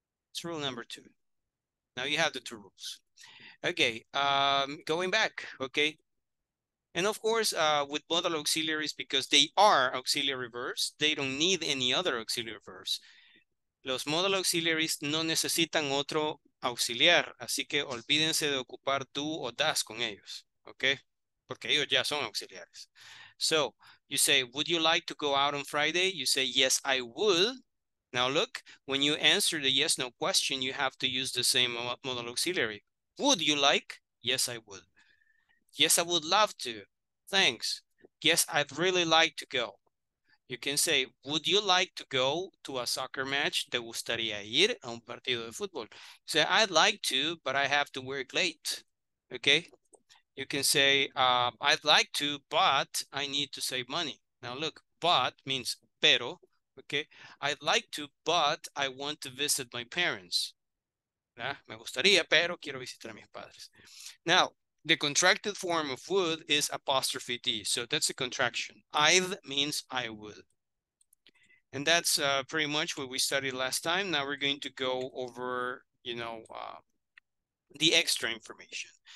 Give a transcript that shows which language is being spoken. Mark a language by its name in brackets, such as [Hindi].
[English] It's rule number two. Now you have the two rules. Okay, going back, okay. And of course, with modal auxiliaries, because they are auxiliary verbs, they don't need any other auxiliary verbs. [Spanish] Los modal auxiliaries no necesitan otro auxiliar, así que olvídense de ocupar do o das con ellos, okay? Porque ellos ya son auxiliares. [English] So, you say, would you like to go out on Friday? You say, yes, I would. Now look, when you answer the yes, no question, you have to use the same modal auxiliary. Would you like? Yes, I would. Yes, I would love to. Thanks. Yes, I'd really like to go. You can say, would you like to go to a soccer match? [Spanish] ¿Te gustaría ir a un partido de fútbol? [English] You say, I'd like to, but I have to work late. Okay? You can say, I'd like to, but I need to save money. Now look, but means pero. Okay? I'd like to, but I want to visit my parents. ¿Ah? [Spanish] Me gustaría, pero quiero visitar a mis padres. [English] Now, the contracted form of would is apostrophe D. So that's a contraction. I'd means I would. And that's pretty much what we studied last time. Now we're going to go over, you know, the extra information.